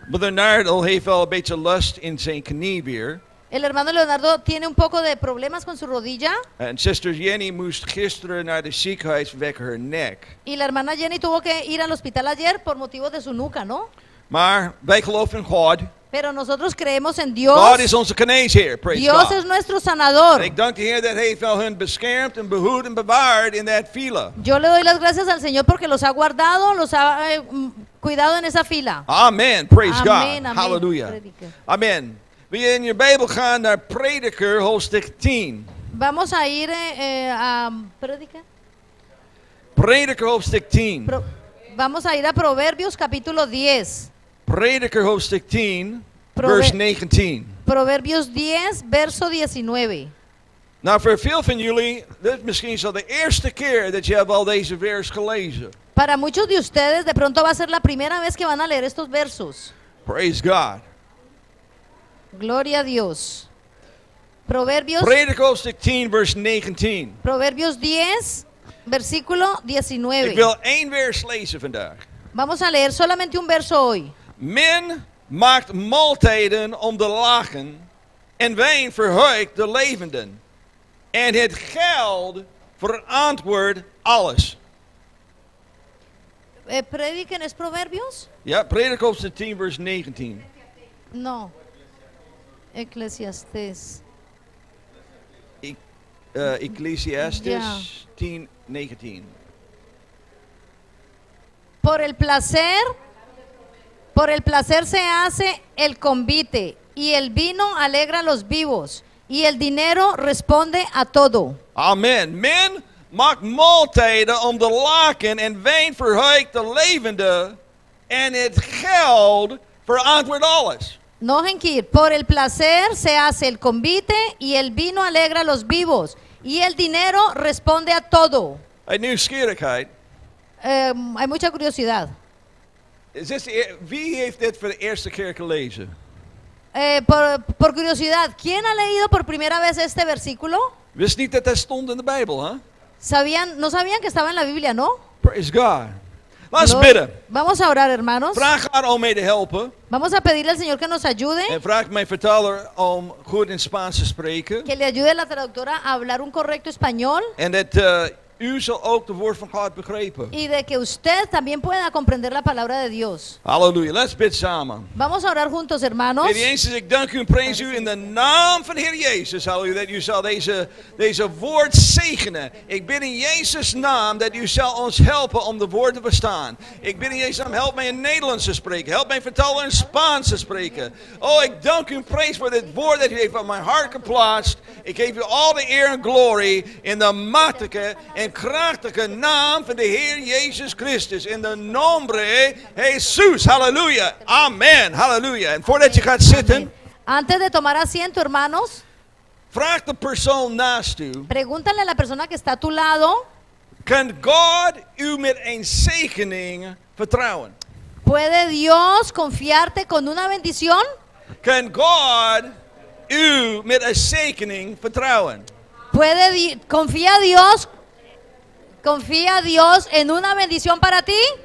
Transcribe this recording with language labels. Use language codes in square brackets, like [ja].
[nl] Brother Leonardo heeft wel een beetje last in zijn knie weer. [es] El hermano Leonardo tiene un poco de problemas con su rodilla. [en] And sister [nl] Jenny moest gisteren naar de ziekenhuis vanwege haar nek. [es] Y la hermana Jenny tuvo que ir al hospital ayer por motivo de su nuca, ¿no? [nl] Maar wij geloven in God. [es] Pero nosotros creemos en Dios. [nl] God is onze geneesheer, [en] praise [es] Dios [en] God. [es] Es nuestro sanador. [nl] En ik dank de Heer dat hij wel hun beschermd en behoed en bewaard in dat fila. [es] Yo le doy las gracias al Señor porque los ha guardado, los ha cuidado en esa fila. [en] Amen, praise amen, God. Amen. Hallelujah. Amen. [nl] Wil je in je Bijbel gaan naar Prediker hoofdstuk 10? [es] Vamos a ir a [nl] Prediker hoofdstuk 10. [es] Vamos a ir a Proverbios capítulo 10. [nl] Prediker hoofdstuk 10, vers 19. [es] Proverbios 10, verso 19. [nl] Nou, voor veel van jullie, dit is misschien zo de eerste keer dat je al deze vers gelezen. [es] Para muchos de ustedes, de pronto va a ser la primera vez que van a leer estos versos. [en] Praise God. [es] Gloria a Dios. Proverbios. [nl] Prediker hoofdstuk 10, vers 19. [es] Proverbios 10, versículo 19. [nl] Ik wil één vers lezen vandaag. [es] Vamos a leer solamente un verso hoy. [nl] Men maakt maaltijden om de lagen en wijn verheugt de levenden. En het geld verantwoordt alles. Prediken is Proverbios? Ja, Prediker hoofdstuk 10, vers 19. [es] No. Ecclesiastes. [en] Ecclesiastes 10, 19. [es] Por el placer. Por el placer se hace el convite, y el vino alegra a los vivos, y el dinero responde a todo. Amen. [nl] Men maakt maaltijden om de laken en wijn verheugt de levende, en het geld verantwoordt alles. [es] No, Henkir. Por el placer se hace el convite, y el vino alegra a los vivos, y el dinero responde a todo. Hay nieuwsgierigheid. Hay mucha curiosidad. [nl] Wie heeft dit voor de eerste keer gelezen? [es] Por curiosidad, ¿quién ha leído por primera vez este versículo? [nl] Wist niet dat hij stond in de Bijbel, hè? [es] No sabían que estaba en la Biblia, ¿no? [en] Praise God. Let's bidden. [es] Vamos a orar, hermanos. [nl] Vraag haar om mee te helpen. [es] Vamos a pedirle al Señor que nos ayude. [nl] En vraag mijn vertaler om goed in Spaans te spreken. [es] Que le ayude la traductora a hablar un correcto español. [nl] En dat U zal ook de woord van God begrepen. [es] Y de que usted también pueda comprender la palabra de Dios. [en] Aleluya. Let's bid samen. [es] Vamos a orar juntos, hermanos. [nl] Heer Jezus, ik dank u en prijs u in de naam van Heer Jezus. Halleluja. Dat u zal deze woord zegenen. Ik bid in Jezus' naam dat u zal ons helpen om de woord te verstaan. Ik bid in Jezus' naam, help mij in Nederlands te spreken. Help mij vertalen in Spaans te spreken. Oh, ik dank u en prijs voor dit woord dat u heeft op mijn hart geplaatst. Ik geef u al de eer en glorie in de machtige en krachtige naam van de Heer Jezus Christus. [es] In de nombre Jesus. Halleluja. Amen. Halleluja. [nl] En voordat je gaat zitten. [es] Antes de tomar asiento, hermanos. [nl] Vraag de persoon naast u. [es] Pregúntale a la persona que está a tu lado. [nl] Kan God u met een zegening vertrouwen? [es] ¿Puede Dios confiarte con una bendición? [nl] Kan God u met een zegening vertrouwen? [es] ¿Puede confía Dios? ¿Confía Dios en una bendición para ti?